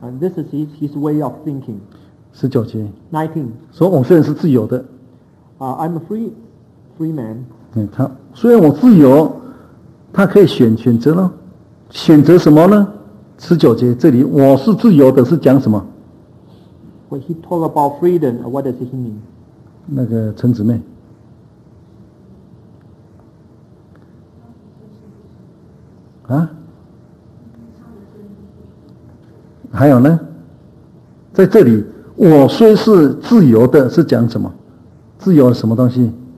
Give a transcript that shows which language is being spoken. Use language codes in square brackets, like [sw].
[en] And this is his way of thinking. [zh] 19节。 19。说我虽然是自由的。 [en] I'm a free man. [zh] 嗯，他虽然我自由，他可以选择咯。选择什么呢？ 19节，这里我是自由的，是讲什么 [en] ？When he talk about freedom, what does he mean? [zh] 那个陈姊妹，啊，还有呢，在这里我虽是自由的，是讲什么？自由什么东西？